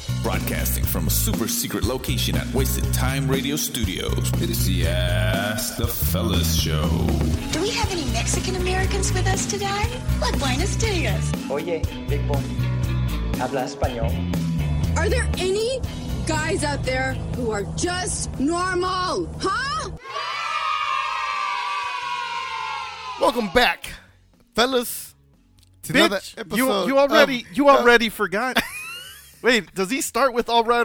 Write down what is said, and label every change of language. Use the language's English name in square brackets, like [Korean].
[English] broadcasting from a super secret location at Wasted Time Radio Studios. It is the Ask the Fellas Show. Do we have any Mexican Americans with us today? What [Spanish] buenos dias? Oye, [English] big boy, [Spanish] habla español. [English] Are there any guys out there who are just normal, huh? Welcome back, fellas. Bitch, you already forgot. Wait, does he start with "All right"?